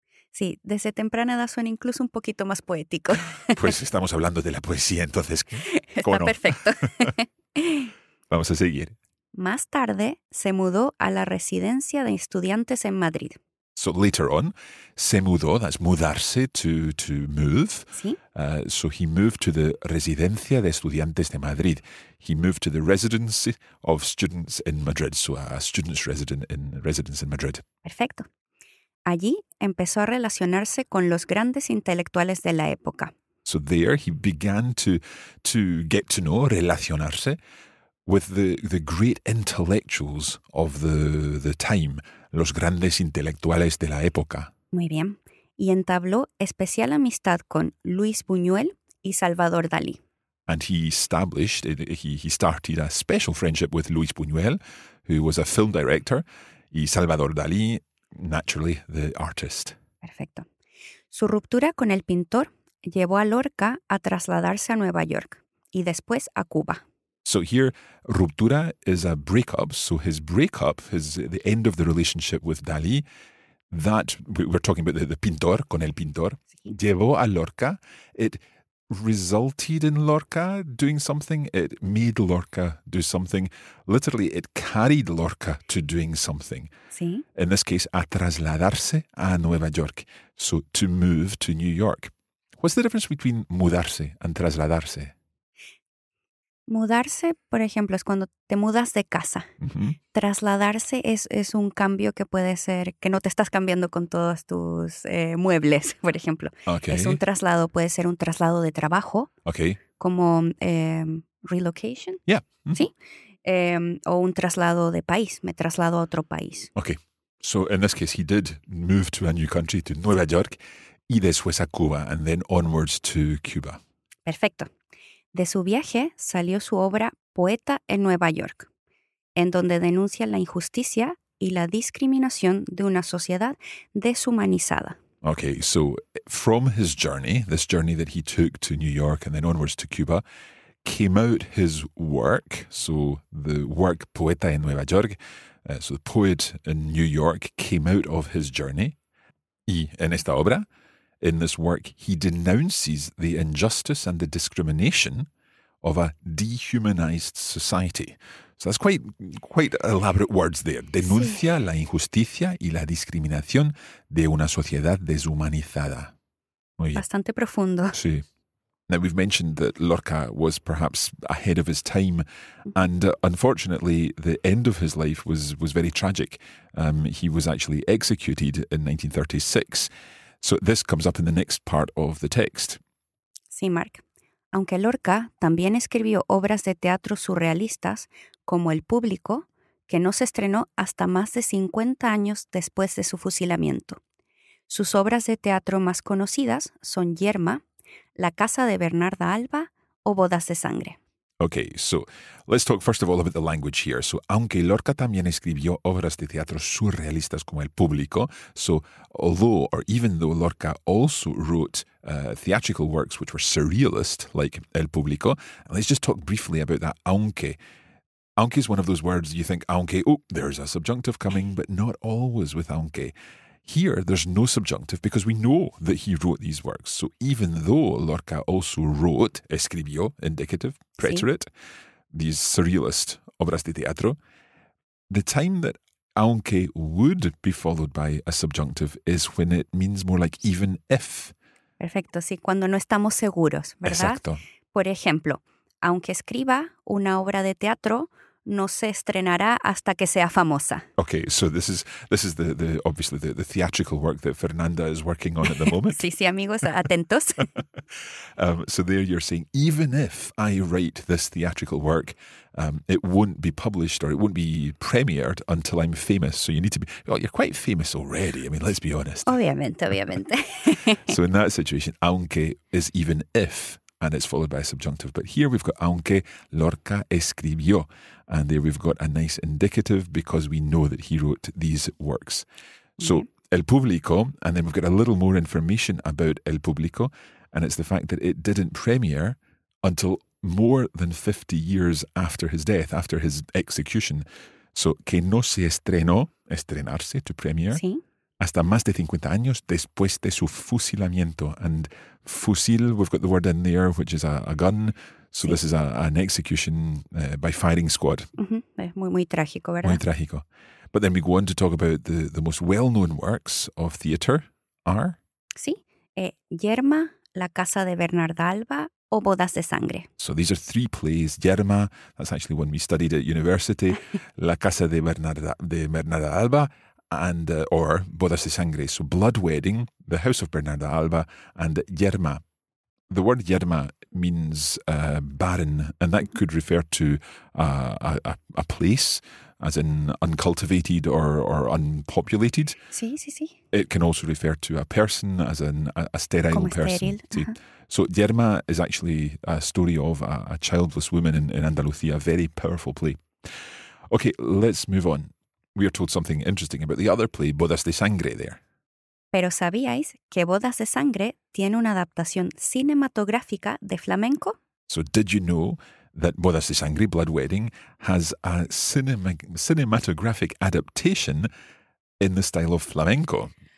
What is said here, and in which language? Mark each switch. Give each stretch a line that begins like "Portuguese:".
Spanish: Sí, desde temprana edad suena incluso un poquito más poético. Pues estamos hablando de la poesía, entonces. Está perfecto. Vamos a seguir. Más tarde se mudó a la residencia de estudiantes en Madrid.
English: So later on,
Spanish: se mudó,
English: that's mudarse, to move.
Spanish: ¿Sí?
English: So he moved to the
Spanish: residencia de estudiantes de Madrid.
English: He moved to the residency of students in Madrid. So a student's residence in Madrid.
Spanish: Perfecto. Allí empezó a relacionarse con los grandes intelectuales de la época.
English: So there he began to get to know, relacionarse, with the great intellectuals of the time,
Spanish: los grandes intelectuales de la época. Muy bien. Y entabló especial amistad con Luis Buñuel y Salvador Dalí.
English: And he started a special friendship with Luis Buñuel, who was a film director, y Salvador Dalí, naturally, the artist.
Spanish: Perfecto. Su ruptura con el pintor llevó a Lorca a trasladarse a Nueva York y después a Cuba.
English: So here, ruptura is a breakup. So his breakup, the end of the relationship with Dalí, that we're talking about the pintor,
Spanish: con el pintor, sí. llevó a Lorca.
English: It resulted in Lorca doing something. It made Lorca do something. Literally, it carried Lorca to doing something.
Spanish: Sí.
English: In this case,
Spanish: a trasladarse a Nueva York.
English: So to move to New York. What's the difference between mudarse and trasladarse?
Spanish: Mudarse, por ejemplo, es cuando te mudas de casa. Uh-huh. Trasladarse es un cambio que puede ser que no te estás cambiando con todos tus muebles, por ejemplo.
English: Okay.
Spanish: Es un traslado, puede ser un traslado de trabajo.
English: Okay.
Spanish: Como relocation.
English: Yeah.
Spanish: Mm-hmm. Sí. O un traslado de país. Me traslado a otro país.
English: Okay. So in this case, he did move to a new country, to Nueva York,
Spanish: y después a Cuba,
English: and then onwards to Cuba.
Spanish: Perfecto. De su viaje salió su obra Poeta en Nueva York, en donde denuncia la injusticia y la discriminación de una sociedad deshumanizada.
English: Okay, so from his journey, this journey that he took to New York and then onwards to Cuba, came out his work, so the work Poeta en Nueva York, so the poet in New York came out of his journey,
Spanish: y en esta obra...
English: In this work, he denounces the injustice and the discrimination of a dehumanized society. So that's quite elaborate words there.
Spanish: Denuncia sí. la injusticia y la discriminación de una sociedad deshumanizada. Oye. Bastante profundo. Sí.
English: Now, we've mentioned that Lorca was perhaps ahead of his time, and unfortunately, the end of his life was very tragic. He was actually executed in 1936. So this comes up in the next part of the text.
Spanish: Sí, Mark. Aunque Lorca también escribió obras de teatro surrealistas, como El Público, que no se estrenó hasta más de 50 años después de su fusilamiento. Sus obras de teatro más conocidas son Yerma, La Casa de Bernarda Alba o Bodas de Sangre.
English: Okay, so let's talk first of all about the language here. So,
Spanish: aunque Lorca también escribió obras de teatro surrealistas como El Público,
English: so although or even though Lorca also wrote theatrical works which were surrealist, like El Público, let's just talk briefly about that aunque. Aunque is one of those words you think aunque, oh, there's a subjunctive coming, but not always with aunque. Here, there's no subjunctive because we know that he wrote these works. So even though Lorca also wrote, escribió, indicative, preterite, sí. these surrealist
Spanish: obras de teatro,
English: the time that aunque would be followed by a subjunctive is when it means more like even if.
Spanish: Perfecto, sí, cuando no estamos seguros, ¿verdad? Exacto. Por ejemplo, aunque escriba una obra de teatro, no se estrenará hasta que sea famosa.
English: Okay, so this is the obviously the theatrical work that Fernanda is working on at the moment.
Spanish: Sí, sí, amigos, atentos.
English: So there you're saying, even if I write this theatrical work, it won't be published or it won't be premiered until I'm famous. So you need to be, well, you're quite famous already. I mean, let's be honest.
Spanish: Obviamente.
English: So in that situation, aunque is even if. And it's followed by a subjunctive. But here we've got
Spanish: aunque Lorca escribió.
English: And there we've got a nice indicative because we know that he wrote these works. So, El Público, and then we've got a little more information about El Público. And it's the fact that it didn't premiere until more than 50 years after his death, after his execution. So,
Spanish: que no se estrenó,
English: estrenarse, to premiere.
Spanish: Sí. Hasta más de 50 años después de su fusilamiento.
English: And fusil, we've got the word in there, which is a gun. So sí. this is an execution by firing squad.
Spanish: Mm-hmm. Muy, muy trágico, ¿verdad? Muy trágico.
English: But then we go on to talk about the most well-known works of theatre are?
Spanish: Sí. Yerma, La Casa de Bernarda Alba o Bodas de Sangre.
English: So these are three plays. Yerma, that's actually one we studied at university. La Casa de Bernarda Alba. And or Bodas de Sangre, so Blood Wedding, The House of Bernarda Alba, and Yerma. The word Yerma means barren, and that could refer to a place, as in uncultivated or unpopulated. Sí, sí, sí. It can also refer to a person, as in a sterile
Spanish: Como
English: person.
Spanish: Estéril. Uh-huh.
English: So Yerma is actually a story of a childless woman in Andalusia, a very powerful play. Okay, let's move on. We are told something interesting about the other play, Bodas de Sangre, there.
Spanish: Pero sabíais que Bodas de Sangre tiene una adaptación cinematográfica de flamenco?
English: So did you know that Bodas de Sangre, Blood Wedding, has a cinematographic adaptation in the style of flamenco?